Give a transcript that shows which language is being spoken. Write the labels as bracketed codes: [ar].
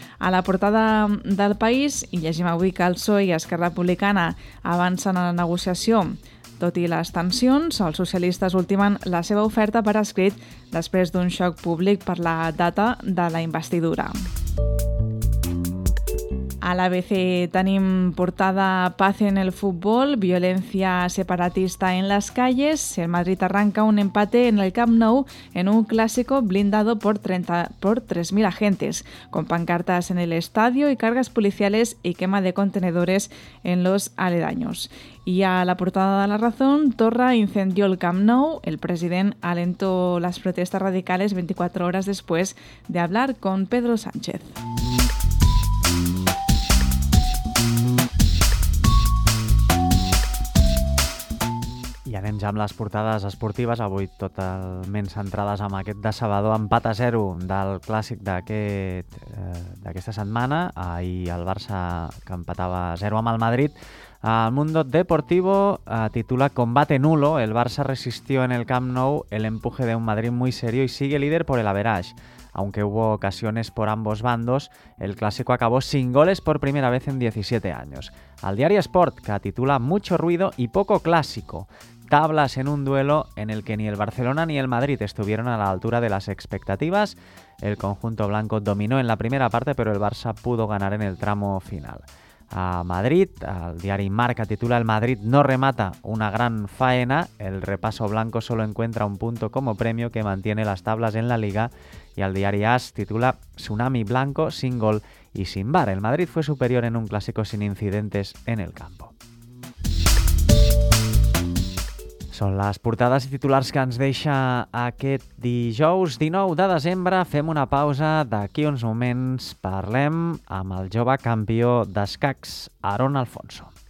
[ca] A la portada del País, i llegim avui que el PSOE i Esquerra Republicana avancen a la negociació. Tot i les tensions, els socialistes ultimen la seva oferta per escrit després d'un xoc públic per la data de la investidura. A l'ABC tenim portada [es] Paz en el fútbol, violencia separatista en las calles. El Madrid arranca un empate en el Camp Nou en un clásico blindado por 3.000 agentes, con pancartas en el estadio y cargas policiales y quema de contenedores en los aledaños. Y a la portada de La Razón, Torra incendió el Camp Nou. El president alentó las protestas radicales 24 horas después de hablar con Pedro Sánchez. [ca] I anem ja amb les portades esportives, avui totalment centrades en aquest decebedor empat a zero del clàssic d'aquesta setmana. Ahir el Barça que empatava a zero amb el Madrid. El Mundo Deportivo titula Combate Nulo. [es] El Barça resistió en el Camp Nou el empuje de un Madrid muy serio y sigue líder por el average. Aunque hubo ocasiones por ambos bandos, el clásico acabó sin goles por primera vez en 17 años. Al diario Sport, que titula Mucho ruido y poco clásico. Tablas en un duelo en el que ni el Barcelona ni el Madrid estuvieron a la altura de las expectativas. El conjunto blanco dominó en la primera parte, pero el Barça pudo ganar en el tramo final. A Madrid, al diario Marca titula El Madrid no remata, una gran faena. El repaso blanco solo encuentra un punto como premio que mantiene las tablas en la Liga. Y al diario AS titula Tsunami blanco, sin gol y sin VAR. El Madrid fue superior en un clásico sin incidentes en el campo. [ca] Són les portades i titulars que ens deixa aquest dijous 19 de desembre. Fem una pausa. D'aquí uns moments parlem amb el jove campió d'escacs, Aaron Alfonso.